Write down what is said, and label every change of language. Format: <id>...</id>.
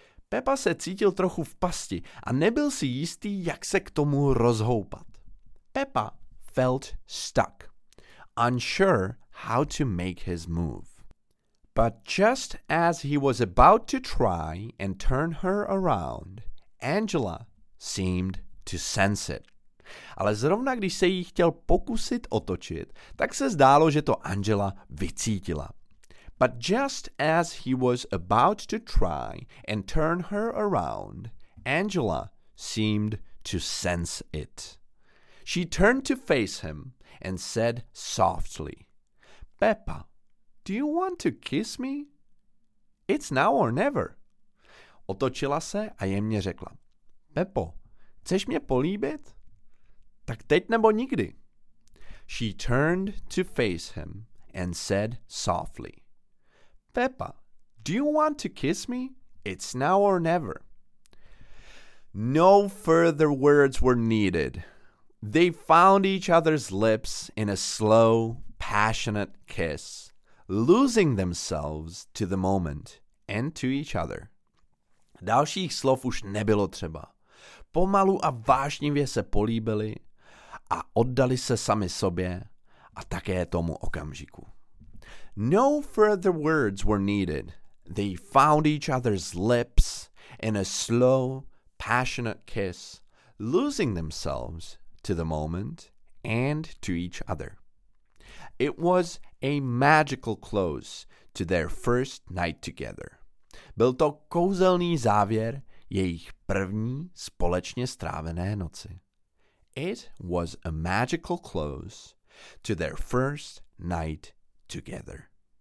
<cs>Peppa se cítil trochu v pasti a nebyl si jistý, jak se k tomu rozhoupat.</cs> <en>Peppa felt stuck, unsure how to make his move. But just as he was about to try and turn her around, Angela seemed to sense it.</en> <cs>Ale zrovna když se jí chtěl pokusit otočit, tak se zdálo, že to Angela vycítila.</cs> <en>But just as he was about to try and turn her around, Angela seemed to sense it. She turned to face him and said softly, Peppa, do you want to kiss me? It's now or never.</en> <cs>Otočila se a jemně řekla. Peppo, chceš mě políbit? Tak teď nebo nikdy.</cs> <en>She turned to face him and said softly. Peppa, do you want to kiss me? It's now or never. No further words were needed. They found each other's lips in a slow, passionate kiss, losing themselves to the moment and to each other.</en> <cs>Dalších slov už nebylo třeba. Pomalu a vášnivě se políbili a oddali se sami sobě a také tomu okamžiku.</cs> <en>No further words were needed. They found each other's lips in a slow, passionate kiss, losing themselves to the moment and to each other. It was a magical close to their first night together.</en> <cs>Byl to kouzelný závěr jejich první společně strávené noci.</cs> <en>It was a magical close to their first night together.</en>